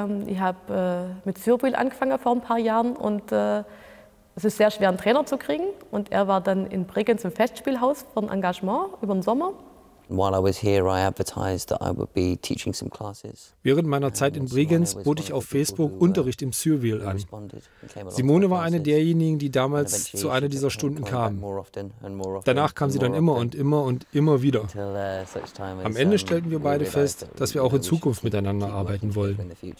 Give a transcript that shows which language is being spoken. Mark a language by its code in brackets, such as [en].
[de] Ich habe mit Sürbühl angefangen vor ein paar Jahren und es ist sehr schwer, einen Trainer zu kriegen. Und er war dann in Bregenz im Festspielhaus für ein Engagement über den Sommer. [en] While I was here, I advertised that I would be teaching some classes. [de] Während meiner Zeit in Bregenz bot ich auf Facebook Unterricht im Sürbühl an. Simone war eine derjenigen, die damals zu einer dieser Stunden kam. Danach kam sie dann immer und immer und immer wieder. Am Ende stellten wir beide fest, dass wir auch in Zukunft miteinander arbeiten wollen.